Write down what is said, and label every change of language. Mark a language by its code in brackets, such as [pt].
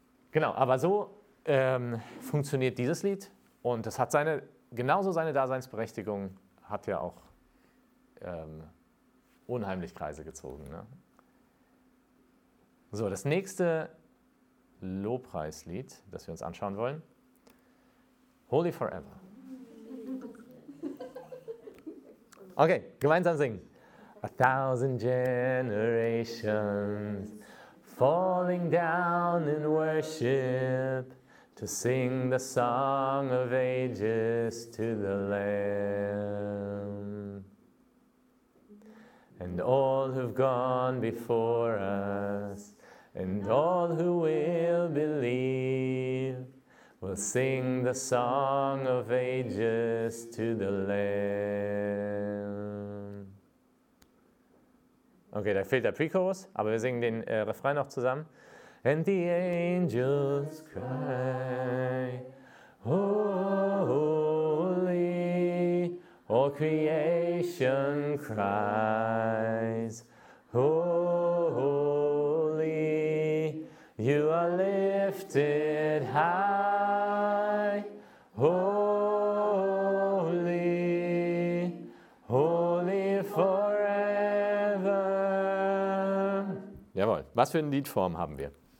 [de] Genau, aber so funktioniert dieses Lied und es hat genauso seine Daseinsberechtigung, hat ja auch unheimlich Kreise gezogen. Ne? So, das nächste Lobpreislied, das wir uns anschauen wollen, Holy Forever. Okay, gemeinsam singen. [en] A thousand generations falling down in worship to to sing the song of ages to the Lamb. And all who've gone before us, and all who will believe, will sing the song of ages to the Lamb. [de] Okay, da fehlt der Pre-Chorus, aber wir singen den Refrain noch zusammen. [en] And the angels cry, holy, all creation cries, holy, you are lifted high, holy, holy forever. [de] Jawohl, was für eine Liedform haben wir?